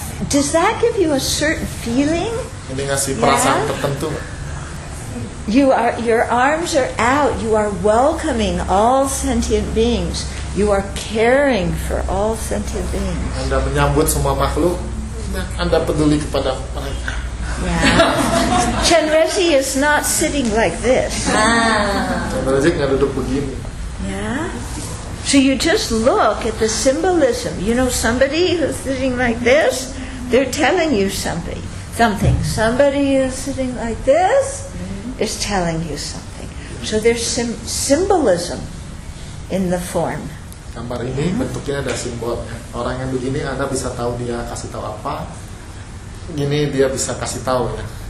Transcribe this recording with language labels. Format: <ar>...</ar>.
<en>Does that give you a certain feeling?</en> <id>Ini ngasih perasaan tertentu.</id> <en>Your arms are out. You are welcoming all sentient beings. You are caring for all sentient beings.</en> <id>Anda menyambut semua makhluk. Anda peduli kepada mereka.</id> <en>Yeah. Chenrezig is not sitting like this.</en> <id>Chenrezig nggak duduk begini.</id> <en>Yeah. So you just look at the symbolism. You know, somebody who's sitting like this, they're telling you something. Something. Somebody who's sitting like this is telling you something. So there's symbolism in the form.</en> <id>Gambar ini bentuknya ada simbol. Orang yang begini, Anda bisa tahu dia kasih tahu apa. Gini dia bisa kasih tahu ya.</id>